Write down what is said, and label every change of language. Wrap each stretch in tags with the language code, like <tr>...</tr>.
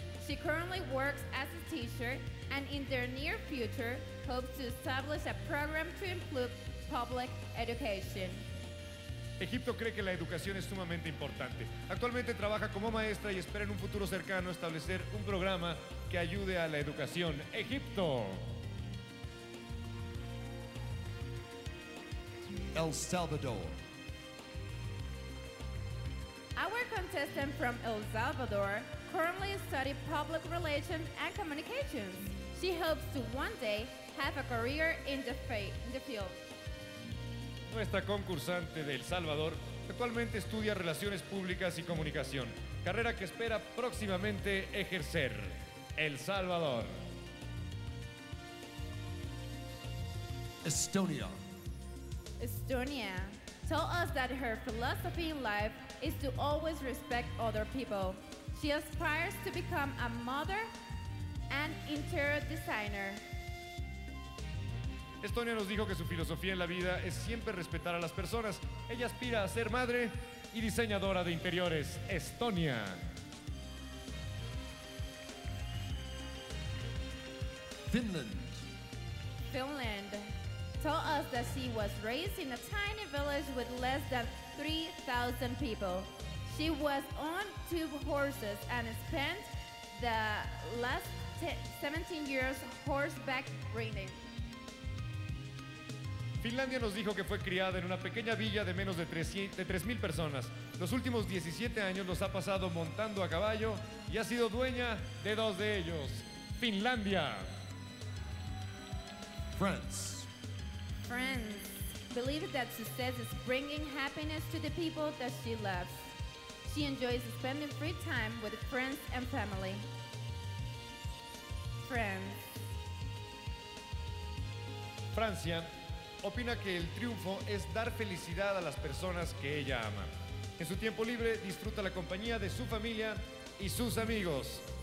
<en>She currently works as a teacher and in their near future hopes to establish a program to improve public education.</en> <es>Egipto cree que la educación es sumamente importante. Actualmente trabaja como maestra y espera en un futuro cercano establecer un programa que ayude a la educación. Egipto.</es> <en>El Salvador. Our contestant from El Salvador currently studies public relations and communications. She hopes to one day have a career in the field.</en> <es>Nuestra concursante de El Salvador actualmente estudia Relaciones Públicas y Comunicación, carrera que espera próximamente ejercer. El Salvador.</es> <en>Estonia. Estonia told us that her philosophy in life is to always respect other people. She aspires to become a mother and interior designer.</en> <es>Estonia nos dijo que su filosofía en la vida es siempre respetar a las personas. Ella aspira a ser madre y diseñadora de interiores. Estonia.</es> <en>Finland. Finland told us that she was raised in a tiny village with less than 3,000 people. She was on two horses and spent the last 17 years horseback riding.</en> <es>Finlandia nos dijo que fue criada en una pequeña villa de menos de 3,000 personas. Los últimos 17 años los ha pasado montando a caballo y ha sido dueña de dos de ellos. Finlandia.</es> <en>France. France believes that success is bringing happiness to the people that she loves. She enjoys spending free time with friends and family. France.</en> <es>Francia opina que el triunfo es dar felicidad a las personas que ella ama. En su tiempo libre disfruta la compañía de su familia y sus amigos.</es>